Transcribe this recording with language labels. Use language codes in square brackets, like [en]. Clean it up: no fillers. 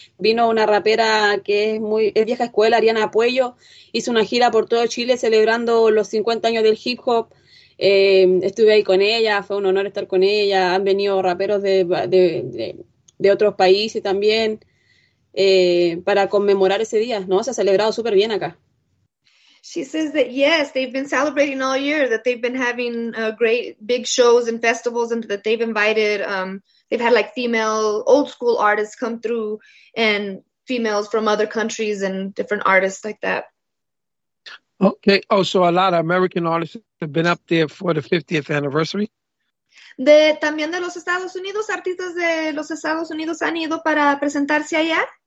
[es] Vino una rapera que es vieja escuela, Ariana Puello, hizo una gira por todo Chile celebrando los 50 años del hip hop. Estuve ahí con ella, fue un honor estar con ella. Han venido raperos de otros países también para conmemorar ese día, ¿no? Se ha celebrado súper bien acá. [en] She says that, yes, they've been celebrating all year, that they've been having great big shows and festivals, and that they've invited, they've had, like, female old school artists come through and females from other countries and different artists like that. Okay. Oh, so a lot of American artists have been up there for the 50th anniversary? [es] También de los Estados Unidos, artistas de los Estados Unidos han ido para presentarse allá.